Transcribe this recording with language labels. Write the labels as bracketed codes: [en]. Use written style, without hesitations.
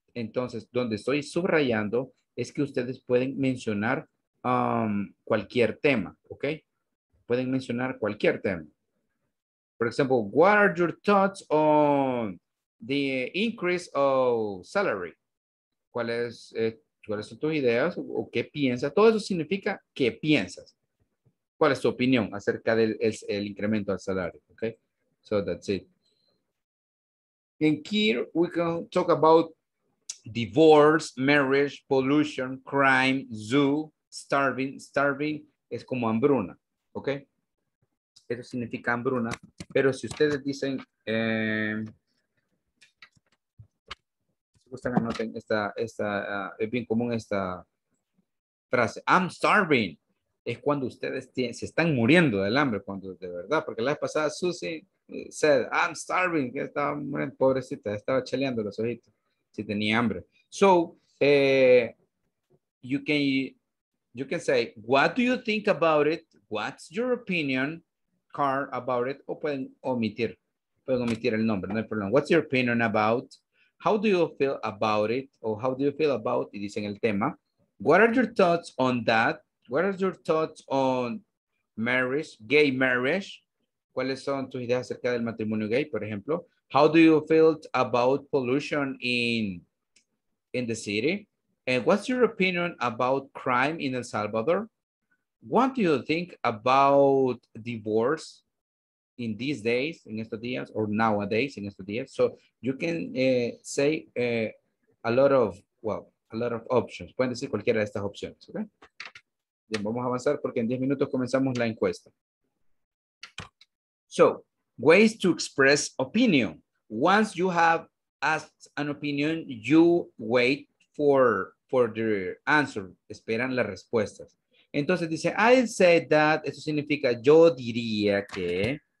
[es] Entonces, donde estoy subrayando es que ustedes pueden mencionar cualquier tema, okay? Pueden mencionar cualquier tema. [en] For example, what are your thoughts on the increase of salary? [es] ¿Cuáles son tus ideas o qué piensas? Todo eso significa qué piensas. ¿Cuál es tu opinión acerca del el incremento al salario? [en] Okay, so that's it. And here we can talk about divorce, marriage, pollution, crime, zoo, starving. [es] Starving es como hambruna. [en] ¿ok? [es] Eso significa hambruna. Pero si ustedes dicen, si gustan, anoten es bien común esta frase. [en] I'm starving. [es] Es cuando ustedes se están muriendo del hambre, cuando de verdad, porque la vez pasada Susie [en] said, I'm starving, [es] que estaba muriendo, pobrecita, estaba chaleando los ojitos, si tenía hambre. [en] So, you can say, what do you think about it? What's your opinion, Carl, about it? [es] O pueden omitir el nombre, no hay problema. [en] What's your opinion about? How do you feel about it? [es] O [en] how do you feel about, y dicen el tema. What are your thoughts on that? What are your thoughts on marriage, gay marriage? [es] ¿Cuáles son tus ideas acerca del matrimonio gay, por ejemplo? [en] How do you feel about pollution in the city? And what's your opinion about crime in El Salvador? What do you think about divorce in these days, in [es] estos días, [en] or nowadays, in estos días? So you can say a lot of options. [es] Pueden decir cualquiera de estas opciones, okay? Bien, vamos a avanzar porque en 10 minutos comenzamos la encuesta. [en] So, ways to express opinion. Once you have asked an opinion, you wait for the answer. [es] Esperan las respuestas. Entonces dice, [en] I said that, [es] eso significa, yo diría que.